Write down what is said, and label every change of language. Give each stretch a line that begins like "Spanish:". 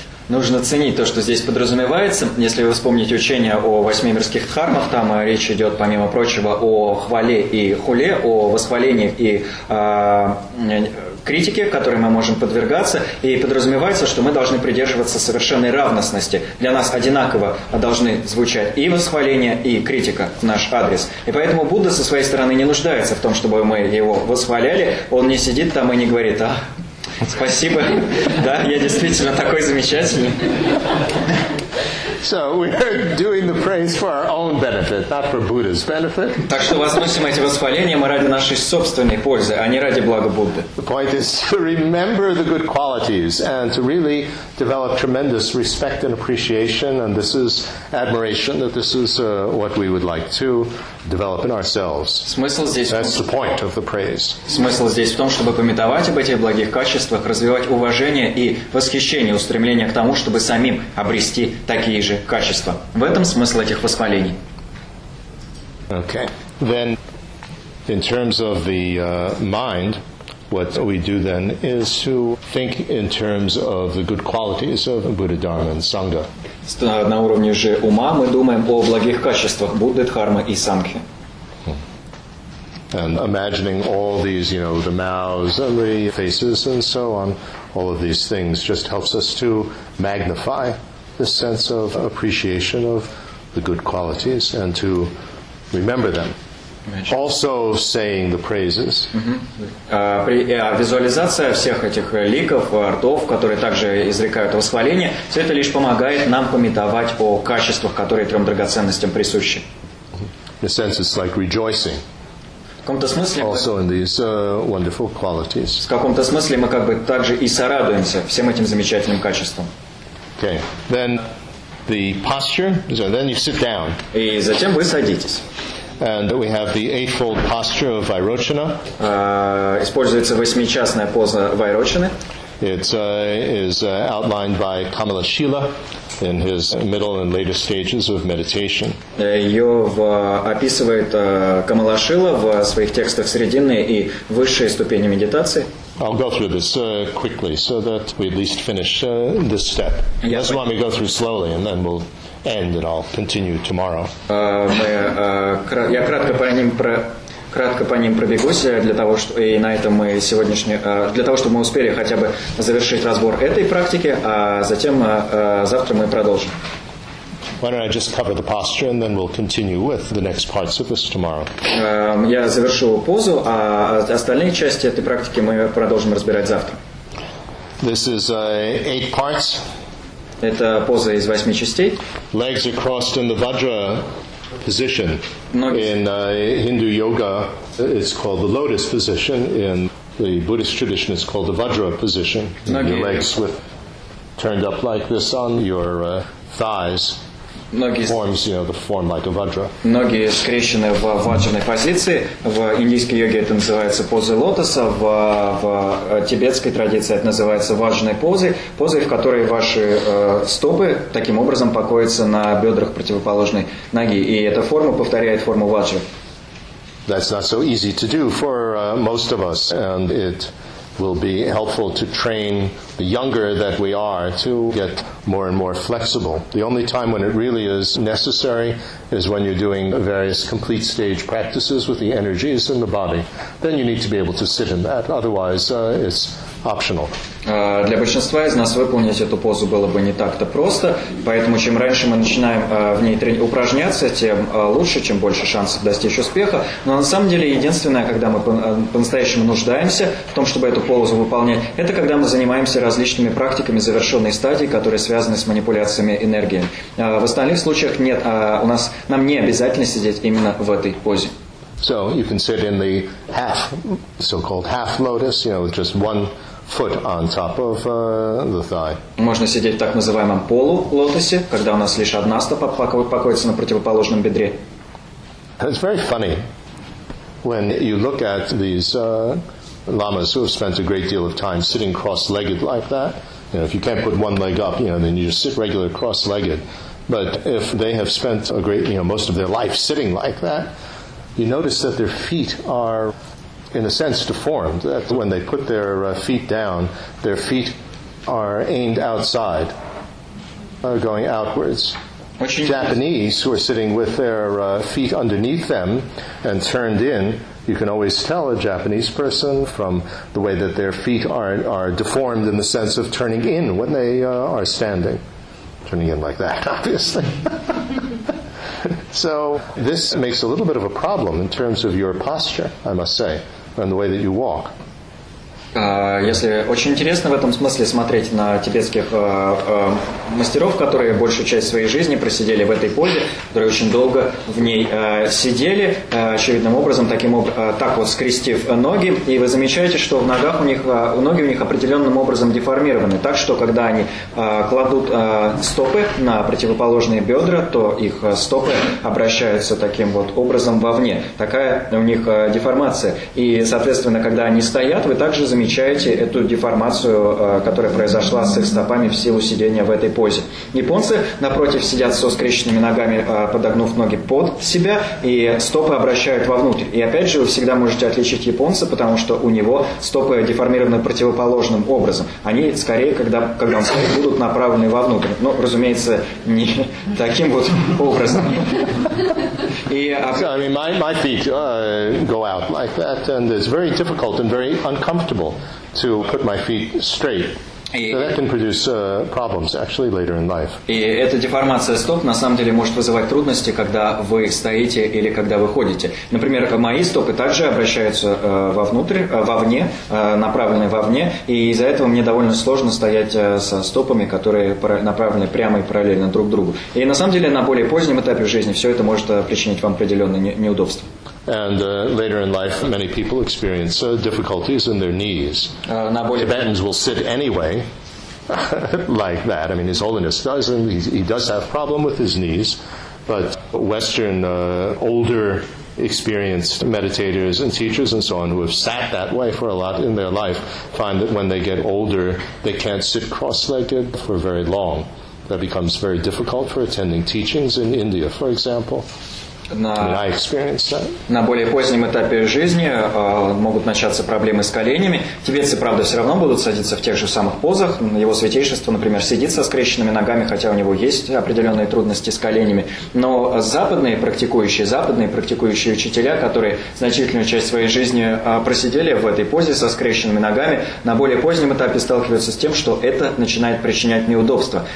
Russian: Нужно ценить то, что здесь подразумевается. Если вы вспомните учение о восьми мирских дхармах, там речь идет, помимо прочего, о хвале и хуле, о восхвалении и критике, которой мы можем подвергаться, и подразумевается, что мы должны придерживаться совершенной равностности. Для нас одинаково должны звучать и восхваление, и критика в наш адрес. И поэтому Будда со своей стороны не нуждается в том, чтобы мы его восхваляли. Он не сидит там и не говорит: «А, спасибо, да, я действительно такой замечательный».
English: So we are doing the praise for our own benefit, not for Buddha's benefit.
Russian: Так что возносим эти восхваления мы ради нашей собственной пользы, а не ради блага Будды.
English: The point is to remember the good qualities and to really develop tremendous respect and appreciation, and this is admiration, that this is what we would like to develop in ourselves.
Russian: Смысл здесь.
English: That's the point of the praise.
Russian: Смысл здесь в том, чтобы памятовать об этих благих качествах, развивать уважение и восхищение, устремление к тому, чтобы самим обрести такие же качества. В этом смысл этих восхвалений.
English: Okay. Then, in terms of the mind, what we do then is to think in terms of the good qualities of Buddha, Dharma, and Sangha.
Russian: На уровне же ума мы думаем о благих качествах Будды, Дхармы и Сангхи.
English: And imagining all these, you know, the mouths and the faces and so on, all of these things just helps us to magnify this sense of appreciation of the good qualities and to remember them. Also saying the praises.
Russian: Визуализация всех этих ликов, ртов, которые также изрекают восхваление, все это лишь помогает нам памятовать о качествах, которые трем драгоценностям присущи.
English: In a sense, it's like rejoicing. Also in these wonderful qualities.
Russian: В каком-то смысле мы как бы также и сорадуемся всем этим замечательным качествам.
English: Okay, then the posture, so then you sit down.
Russian: И затем вы садитесь.
English: And we have the eightfold posture of Vairochana.
Russian: Используется восьмичастная поза Вайрочаны.
English: It is outlined by Kamala Shila in his middle and later stages of meditation.
Russian: Описывает Камала Шила в своих текстах срединной и высшей ступени медитации.
English: I'll go through this quickly so that we at least finish this step. Unless you want me to go through slowly and then we'll end and I'll continue tomorrow.
Russian: Я кратко по ним Кратко по ним пробегусь для того, что и на этом мы сегодняшний для того, чтобы мы успели хотя бы завершить разбор этой практики, а затем завтра мы продолжим.
English: Why don't I just cover the posture and then we'll continue with the next parts of this tomorrow?
Russian: Я завершу позу, а остальные части этой практики мы продолжим разбирать завтра.
English: This is eight parts.
Russian: Это поза из восьми частей.
English: Legs are crossed in the Vajra position. In Hindu yoga, it's called the lotus position. In the Buddhist tradition, it's called the Vajra position. Your legs with turned up like this on your thighs. Forms, you know, the form like a vajra.
Russian: Ноги скрещены в ваджрной позиции. В индийской йоге это называется поза лотоса. В тибетской традиции это называется ваджрной позой. Позой, в которой ваши стопы таким образом покоятся на бедрах противоположной ноги. И эта форма повторяет форму ваджры.
English: That's not so easy to do for most of us. And it will be helpful to train the younger that we are to get more and more flexible. The only time when it really is necessary is when you're doing various complete stage practices with the energies in the body. Then you need to be able to sit in that. Otherwise, it's optional.
Russian: Для большинства из нас выполнить эту позу было бы не так-то просто, поэтому чем раньше мы начинаем в ней упражняться, тем лучше, чем больше шансов достичь успеха. Но на самом деле единственное, когда мы по-настоящему нуждаемся в том, чтобы эту позу выполнять, это когда мы занимаемся различными практиками завершенной стадии, которые связаны с манипуляциями энергии. В остальных случаях нет, у нас нам не обязательно сидеть именно в этой позе.
English: So you can sit in the half, so-called half lotus, you know, with just one foot on top of the thigh.
Russian: Можно сидеть в так называемом полулотосе, когда у нас лишь одна стопа покоится на противоположном бедре.
English: It's very funny when you look at these lamas who have spent a great deal of time sitting cross-legged like that. You know, if you can't put one leg up, you know, then you just sit regular cross-legged. But if they have spent a great, you know, most of their life sitting like that, you notice that their feet are, in a sense, deformed. That when they put their feet down, their feet are aimed outside, going outwards. Japanese, who are sitting with their feet underneath them and turned in, you can always tell a Japanese person from the way that their feet are deformed in the sense of turning in when they are standing. Turning in like that, obviously. So this makes a little bit of a problem in terms of your posture, I must say, and the way that you walk.
Russian: Если очень интересно в этом смысле смотреть на тибетских мастеров, которые большую часть своей жизни просидели в этой позе, которые очень долго в ней сидели, очевидным образом, таким так вот скрестив ноги, и вы замечаете, что в ногах у них, ноги у них определенным образом деформированы, так что когда они кладут стопы на противоположные бедра, то их стопы обращаются таким вот образом вовне. Такая у них деформация. И, соответственно, когда они стоят, вы также замечаете, замечаете эту деформацию, которая произошла с их стопами в силу сидения в этой позе. Японцы, напротив, сидят со скрещенными ногами, подогнув ноги под себя, и стопы обращают вовнутрь. И опять же, вы всегда можете отличить японца, потому что у него стопы деформированы противоположным образом. Они скорее, когда он стоит, будут направлены вовнутрь. Ну, разумеется, не таким вот образом.
English: И, so, I mean, my feet go out like that, and it's very difficult and very uncomfortable to put my feet straight. So that can produce problems actually later in life.
Russian: И эта деформация стоп на самом деле может вызывать трудности, когда вы стоите или когда вы ходите. Например, мои стопы также обращаются вовнутрь, вовне, направлены вовне, и из-за этого мне довольно сложно стоять со стопами, которые направлены прямо и параллельно друг к другу. И на самом деле на более позднем этапе жизни все это может причинить вам определенные неудобства.
English: And later in life, many people experience difficulties in their knees. Tibetans will sit anyway, like that. I mean, His Holiness does, and he does have a problem with his knees. But Western, older, experienced meditators and teachers and so on, who have sat that way for a lot in their life, find that when they get older, they can't sit cross-legged for very long. That becomes very difficult for attending teachings in India, for example.
Russian: На более позднем этапе жизни могут начаться проблемы с коленями. Тибетцы, правда, все равно будут садиться в тех же самых позах. Его святейшество, например, сидит со скрещенными ногами, хотя у него есть определенные трудности с коленями. Но западные практикующие учителя, которые значительную часть своей жизни просидели в этой позе со скрещенными ногами, на более позднем этапе сталкиваются с тем, что это начинает причинять неудобства.